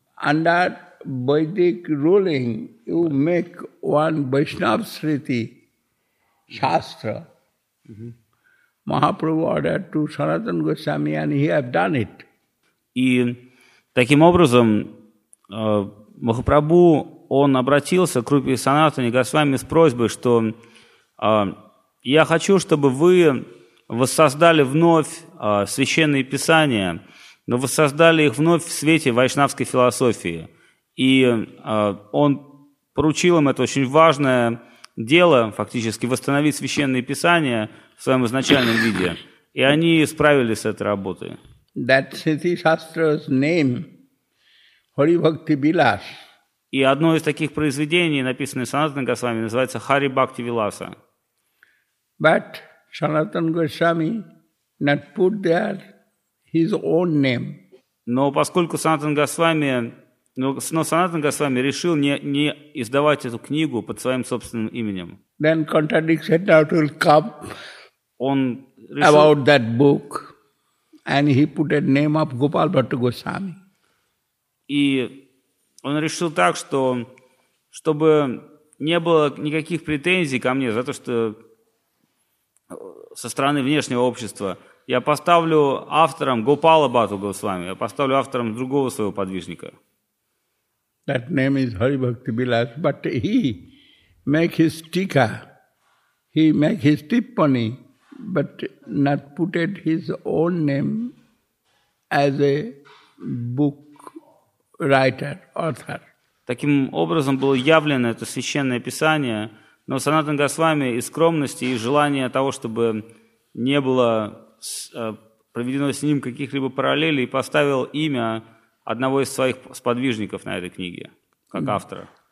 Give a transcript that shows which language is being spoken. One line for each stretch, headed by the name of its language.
English: Under Vedic ruling, you make one Vaishnav Sriti Shastra. Mm-hmm. Mahaprabhu ordered to Sanatan Goswami, and he have done it.
Russian: И таким образом Махапрабху он обратился к Рупе Санатане Госвами с просьбой, что я хочу, чтобы вы воссоздали вновь священные писания. но воссоздали их вновь в свете вайшнавской философии. И он поручил им это очень важное дело, фактически восстановить священные писания в своем изначальном виде. И они справились с этой работой.
English: That Siddhi Shastra's name, Hari Bhakti Vilas.
Russian: И одно из таких произведений, написанное Санатана Госвами, называется «Хари Бхакти Виласа».
English: But Sanatana Goswami not put there his own name.
Russian: Но поскольку Санатана Госвами, но Санатана Госвами решил не издавать эту книгу под своим собственным именем.
English: Then contradiction will come.
Russian: Он решил
English: about that book, and he put a name of Gopal Bhatta Goswami.
Russian: И он решил так, что чтобы не было никаких претензий ко мне за то, что со стороны внешнего общества, я поставлю автором Гопала Бхатту Госвами, я поставлю автором другого своего подвижника.
English: That name is Hari Bhakti Vilas, but he make his tika, he make his tippani, but not put it his own name as a book. Writer, author.
Russian: Таким образом было явлено это священное писание, но Санатана Госвами из скромности и желания того, чтобы не было проведено с ним каких-либо параллелей, поставил имя одного из своих сподвижников на этой книге, как автора.